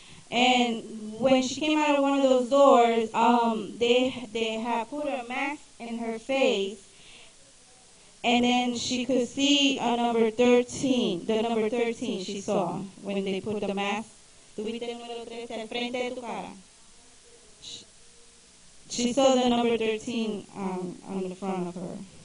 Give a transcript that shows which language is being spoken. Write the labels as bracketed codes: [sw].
[en] And when she came out of one of those doors, they had put a mask in her face. And then she could see a number 13, the number 13 she saw when they put the mask. [es] ¿Tuviste el número 13 al frente de tu cara? [en] She saw the number 13 on the front of her.